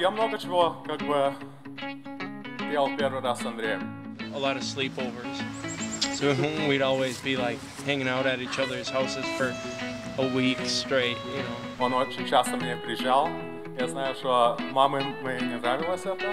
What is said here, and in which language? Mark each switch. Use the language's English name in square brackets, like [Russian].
[Russian] Я много чего, как бы, делал первый раз с Андреем. [English] A lot of sleepovers. So we'd always be like hanging out at each other's houses for a week straight, you know. [Russian] Он очень часто мне приезжал. Я знаю, что маме мне не нравилось это.